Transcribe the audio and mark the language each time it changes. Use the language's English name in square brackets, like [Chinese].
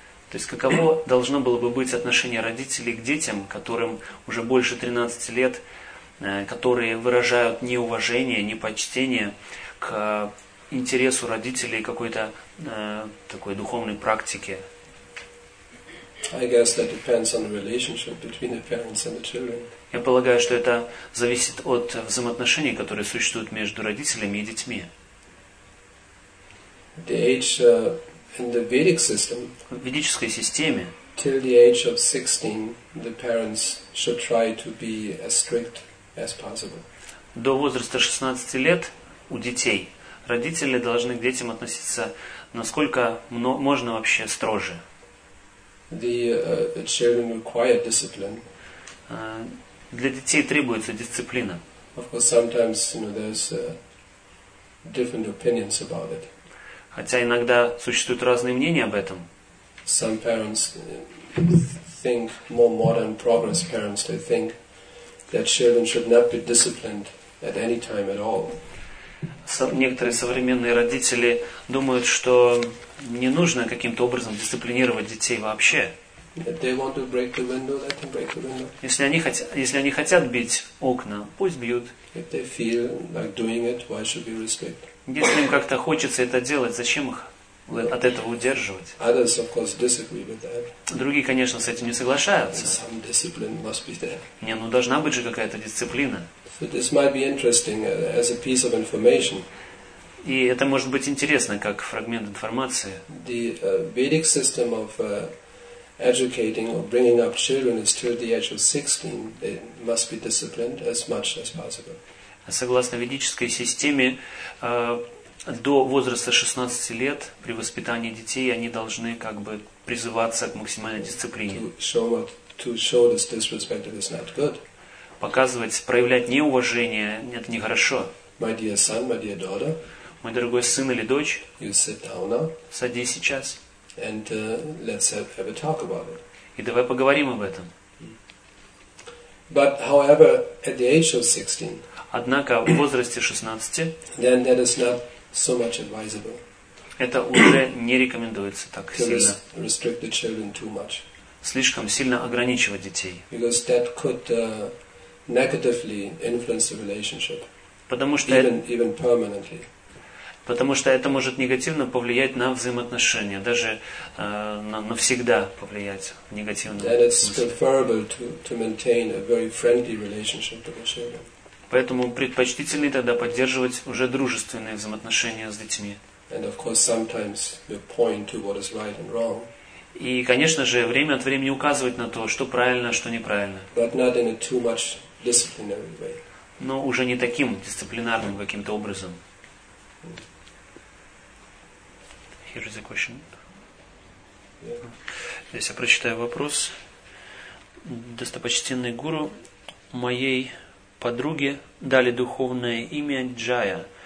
[Russian] То есть каково должно было бы быть отношение родителей к детям, которым уже больше 13 лет, которые выражают неуважение, непочтение к интересу родителей какой-то такой духовной практики. [English] I guess that depends on the relationship between the parents and the children. [Russian] Я полагаю, что это зависит от взаимоотношений, которые существуют между родителями и детьми. [English] The age in the Vedic system. [Russian] В ведической системе. [English] Till the age of 16, the parents should try to be as strict as possible. [Russian] До возраста 16 лет у детей родители должны к детям относиться насколько можно вообще строже. [English] The children require discipline. [Russian] Для детей требуется дисциплина. [English] Of course, sometimes, you know, there's different opinions about it. [Russian] Хотя иногда существуют разные мнения об этом. [English] Some parents think more modern progress parents. They think that children should not be disciplined at any time at all. [Russian] Некоторые современные родители думают, что не нужно каким-то образом дисциплинировать детей вообще. Если они хотят бить окна, пусть бьют. Если им как-то хочется это делать, зачем их от этого удерживать? [English] Others, of course, disagree with that. [Russian] Другие, конечно, с этим не соглашаются. [English] And some discipline must be there. [Russian] Не, ну должна быть же какая-то дисциплина. [English] So this might be interesting as a piece of information. [Russian] И это может быть интересно как фрагмент информации. [English] The Vedic system of educating or bringing up children is till the age of 16, they must be disciplined as much as possible. [Russian] Согласно ведической системе, до возраста 16 лет при воспитании детей они должны как бы призываться к максимальной дисциплине. [English] To show this disrespect is not good. [Russian] Показывать, проявлять неуважение, это нехорошо. [English] My dear son, my dear daughter, [Russian] мой дорогой сын или дочь, [English] you sit down now, [Russian] садись сейчас [English] and, let's have a talk about it. [Russian] И давай поговорим об этом. [English] But, however, at the age of 16, [Russian] однако в возрасте 16 [English] then that is not so much advisable. [Russian] Это уже не рекомендуется так сильно. [English] Restrict the children too much. [Russian] Слишком сильно ограничивать детей. [English] Because that could negatively influence the relationship. [Russian] Потому что [English] even permanently. [Russian] Потому что это может негативно повлиять на взаимоотношения, даже навсегда повлиять в негативном смысле. [English] Then it's preferable to maintain a very friendly relationship with the children. [Russian] Поэтому предпочтительнее тогда поддерживать уже дружественные взаимоотношения с детьми. [English] And of course sometimes we point to what is right and wrong. [Russian] И, конечно же, время от времени указывать на то, что правильно, что неправильно. [English] But not in a too much disciplinary way. [Russian] Но уже не таким дисциплинарным каким-то образом. [English] Here is a question. Yeah. [Russian] Здесь я прочитаю вопрос. Достопочтенный гуру, моей подруге дали духовное имя Джая.